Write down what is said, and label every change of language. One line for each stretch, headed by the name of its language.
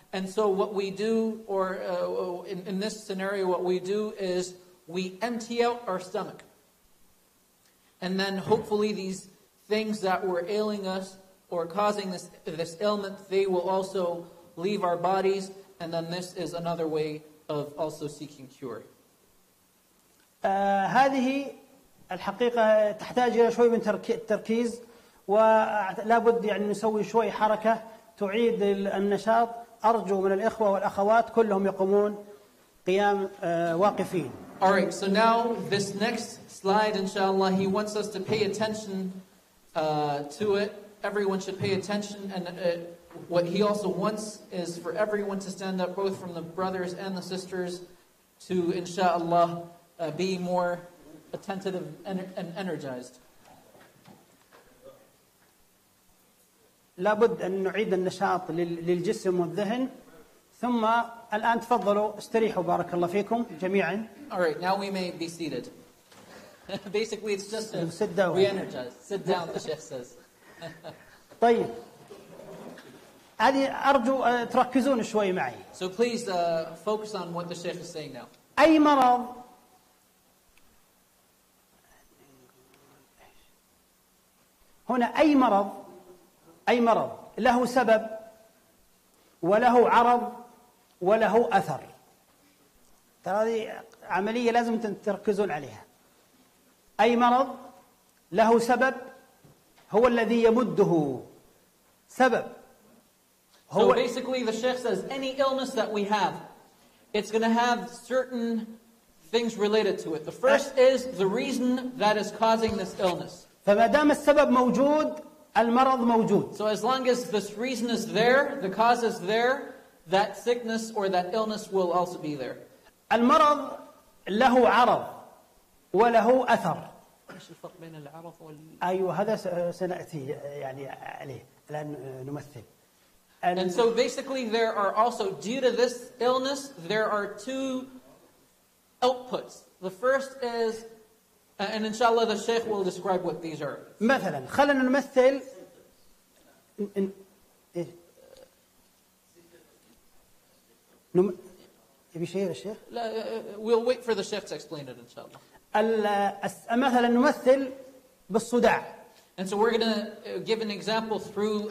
English: And so what we do, or in this scenario, what we do is we empty out our stomach. And then hopefully these things that were ailing us or causing this ailment, they will also leave our bodies. And then this is another way of also seeking cure.
Arabic: هذه الحقيقة تحتاج إلى شوي من التركيز، ولا بد يعني نسوي شوي حركة تعيد النشاط. أرجو من الإخوة والأخوات كلهم يقومون قيام واقفين.
English: All right. So now this next slide, inshallah, he wants us to pay attention to it. Everyone should pay attention, and what he also wants is for everyone to stand up, both from the brothers and the sisters, to inshallah be more attentive and energized.
Arabic: لابد أن نعيد النشاط للجسم والذهن ثم الآن تفضلوا استريحوا بارك الله فيكم جميعا.
English: Alright, now we may be seated. Basically it's just re-energize. Sit down, the sheikh says.
Arabic: طيب هذه أرجو تركزون شوي معي.
English: So please focus on what the sheikh is saying now.
Arabic: أي مرض هنا أي مرض له سبب وله عرض وله أثر ترى هذه عملية لازم تركزون عليها أي مرض له سبب هو الذي يمده سبب هو
English: So basically the sheikh says any illness that we have it's going to have certain things related to it the first is the reason that is causing this illness
Arabic: فما دام السبب موجود المرض موجود.
English: So as long as this reason is there, the cause is there, that sickness or that illness will also be there.
Arabic: المرض له عرض وله أثر. إيش الفرق بين العرض وال؟ أيوة هذا سنأتي يعني عليه لأن نمثل.
English: And so basically there are also due to this illness there are two outputs. The first is And inshallah the sheikh will describe what these are.
Arabic: مثلا خلنا نمثل يبي شيء الشيخ؟ لا
English: we'll wait for the sheikh to explain it inshallah.
Arabic: مثلا نمثل بالصداع.
English: And so we're going to give an example through